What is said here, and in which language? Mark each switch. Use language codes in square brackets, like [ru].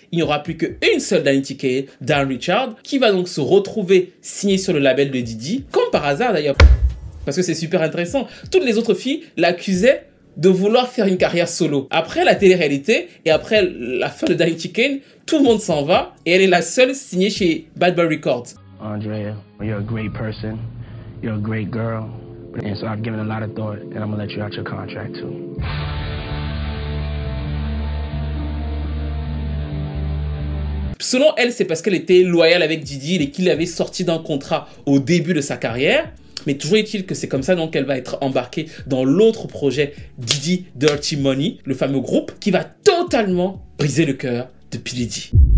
[fr] Il n'y aura plus qu'une seule Danny Tiquet, Dan Richard, qui va donc se retrouver signée sur le label de Dee, comme par hasard d'ailleurs. Parce que c'est super intéressant. Toutes les autres filles l'accusaient de vouloir faire une carrière solo. Après la télé-réalité et après la fin de Danny Tiquet, tout le monde s'en va et elle est la seule signée chez Bad Boy Records. [en] Andrea, you're a great person, you're a great girl, and so I've given a lot of thought and I'm gonna let you out your contract too. [fr] Selon elle, c'est parce qu'elle était loyale avec Dee et qu'il avait sorti d'un contrat au début de sa carrière. Mais toujours est-il que c'est comme ça qu'elle va être embarquée dans l'autre projet Dee Dirty Money, le fameux groupe qui va totalement briser le cœur de P. Diddy.